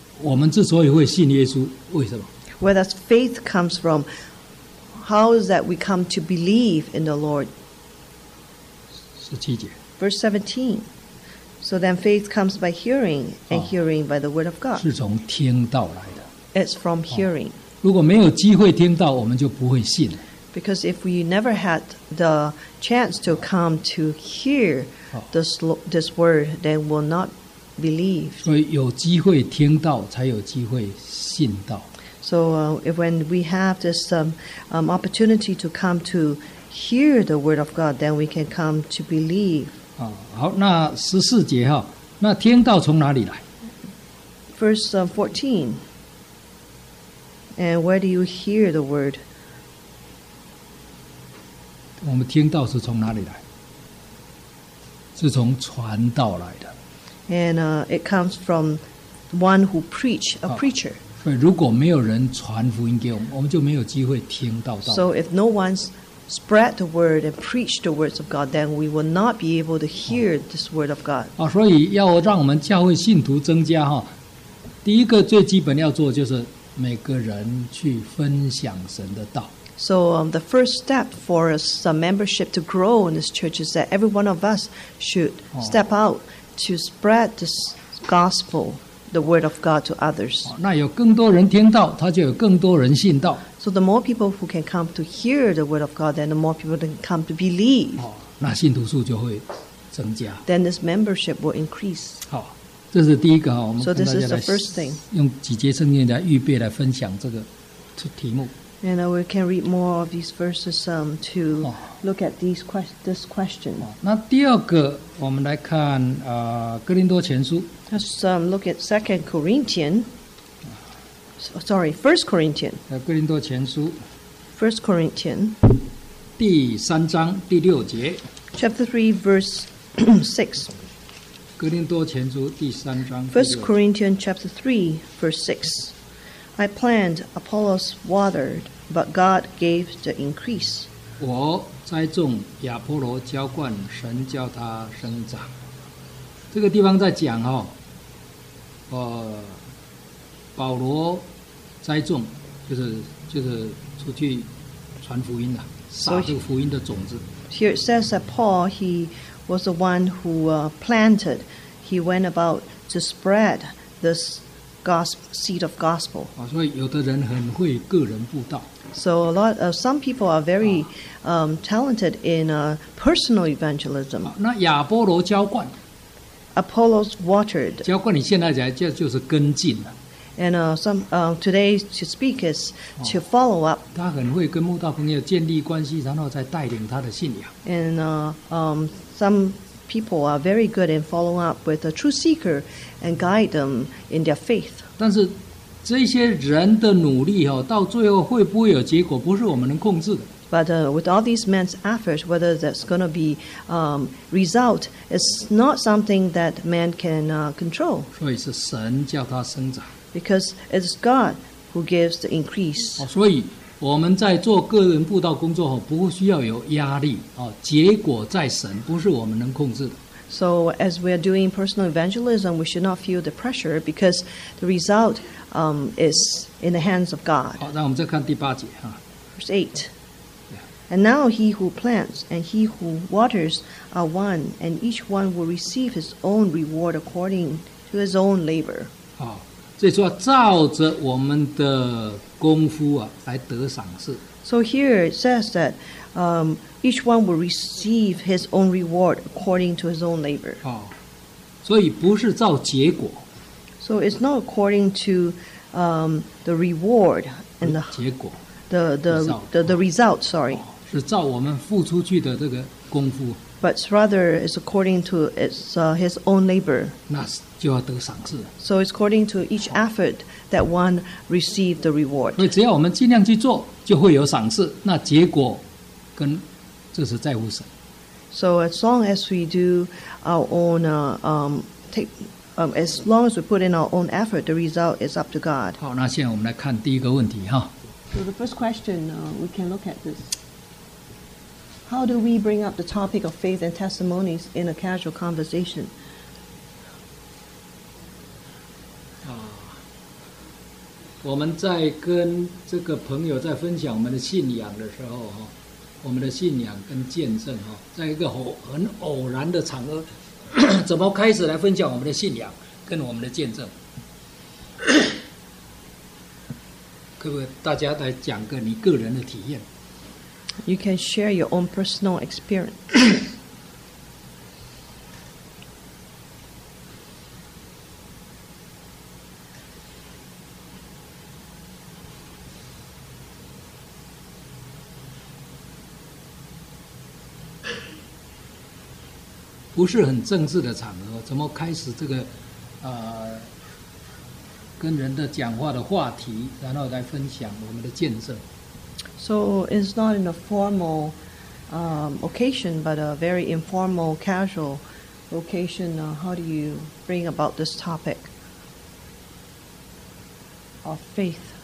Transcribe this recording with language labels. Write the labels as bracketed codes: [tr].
[zh] 我们之所以会信耶稣，为什么？ [en] Where does faith comes from? How is that we come to believe in the Lord? [zh] 十七节。 [en] Verse 17. So then faith comes by hearing, and hearing by the word of God. [zh] 是从听到来的。 [en] It's from hearing. [zh] 如果没有机会听到，我们就不会信。 [en] Because if we never had the chance to come to hear this word, then we'll not believe. [zh] 所以有机会听到，才有机会信道。 [en] So if when we have this opportunity to come to hear the word of God, then we can come to believe. [zh] 好，那十四节哈，那听道从哪里来？ [en] Verse 14. And where do you hear the word? [zh] 我们听道是从哪里来？是从传道来的。 [en] And it comes from one who preach, a preacher. [zh] 所以如果没有人传福音给我们，我们就没有机会听到道。 [en] So if no one spread the word and preach the words of God, then we will not be able to hear this word of God. [zh] 所以要让我们教会信徒增加哈，第一个最基本要做就是每个人去分享神的道。 [en] So the first step for us membership to grow in this church is that every one of us should step out to spread this gospel, the word of God to others. [zh] 那有更多人听到，他就有更多人信道。 [en] So the more people who can come to hear the word of God, then the more people can come to believe. [zh] 那信徒数就会增加。 [en] Then this membership will increase. [zh] 好，这是第一个，我们跟大家来用几节圣经来预备来分享这个题目。 [en] And we can read more of these verses to look at these this question. [zh] 那第二个，我们来看哥林多前书。 [en] Let's look at Second Corinthians. Sorry, First Corinthians. [zh] 哥林多前书。 [en] First Corinthians. [zh] 第三章第六节。 [en] Chapter 3, verse 6. [zh] 哥林多前书第三章。 [en] First Corinthians chapter 3, verse 6. I planted, Apollos watered, but God gave the increase. [zh] 我栽种，亚波罗浇灌，神叫他生长。这个地方在讲哈，保罗栽种，就是出去传福音的，撒这个福音的种子。 [en] Here it says that Paul, he was the one who planted. He went about to spread this. Seed of gospel. [zh] 所以有的人很会个人布道。 [en] So a lot of some people are very talented in personal evangelism. [zh] 那亚波罗浇灌。 [en] Apollos watered. [zh] 浇灌你现在讲就是跟进了。 [en] And today to speak is to follow up. [zh] 他很会跟慕道朋友建立关系，然后再带领他的信仰。 [en] And some. People are very good in following up with a true seeker and guide them in their faith. [zh] 但是这些人的努力哦，到最后会不会有结果，不是我们能控制的。 [en] But with all these men's efforts, whether that's going to be result, it's not something that man can control. [zh] 所以是神叫他生长。 [en] Because it's God who gives the increase. [zh] 所以我们在做个人布道工作后，不需要有压力啊。结果在神，不是我们能控制的。 [en] So as we are doing personal evangelism, we should not feel the pressure because the result is in the hands of God. [zh] 好，那我们再看第八节啊。 [en] Verse 8. And now he who plants and he who waters are one, and each one will receive his own reward according to his own labor. [zh] 好，所以说照着我们的。功夫啊，来得赏赐。 [en] So here it says that each one will receive his own reward according to his own labor. [zh] 哦，所以不是照结果。 [en] So it's not according to the reward and the [zh] 结果 [en] the result. Sorry. [zh] 是照我们付出去的这个功夫。 [en] But rather it's according to its his own labor. [zh] 那就要得赏赐。 [en] So it's according to each effort. That one received the reward. [zh] 所以只要我们尽量去做，就会有赏赐。那结果跟这是在乎神。 [en] So as long as we do our own as long as we put in our own effort, the result is up to God. [zh] 好，那现在我们来看第一个问题哈。 [en] So the first question, we can look at this. How do we bring up the topic of faith and testimonies in a casual conversation? [zh] 我们在跟这个朋友在分享我们的信仰的时候，我们的信仰跟见证，在一个很偶然的场合，怎么开始来分享我们的信仰跟我们的见证？各位大家来讲个你个人的体验。 [en] You can share your own personal experience. [zh] 不是很正式的场合，怎么开始这个，跟人的讲话的话题，然后来分享我们的见证。 [en] So it's not in a formal occasion, but a very informal, casual occasion. How do you bring about this topic of faith?